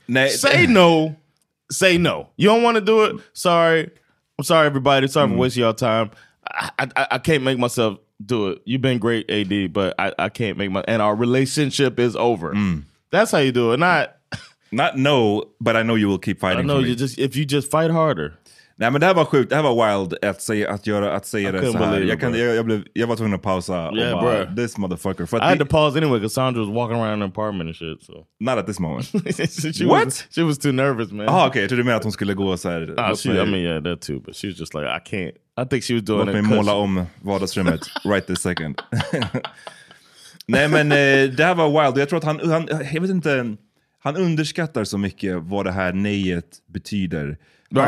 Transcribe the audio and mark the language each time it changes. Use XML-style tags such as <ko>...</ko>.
<en>Say no. You don't want to do it? Sorry. I'm sorry, everybody. Sorry for wasting y'all time. I can't make myself do it. You've been great, AD, but I can't make my... And our relationship is over. That's how you do it. Not no, but I know you will keep fighting. I know for you me. Just if you just fight harder.</en> <sv>Nej, men det här var sjukt. Det här var wild att säga det så här. Jag var tvungen att pausa.</sv> <en>Yeah, bro. This motherfucker. I had to pause anyway because Sandra was walking around in the apartment and shit. So. Not at this moment. She was too nervous, man. Ah, okay.</en> <sv>Jag trodde mer att hon skulle gå och säga</sv> <en>det. I mean, yeah, that too. But she was just like, I can't. I think she was doing</en> <sv>låt</sv> <en>it.</en> <sv>Låt mig måla om vardagsrummet</sv> <en>right this second.</en> <sv>Nej, men det här var wild. Jag tror att han jag vet inte, han underskattar så mycket vad det här nejet betyder. Right.</sv>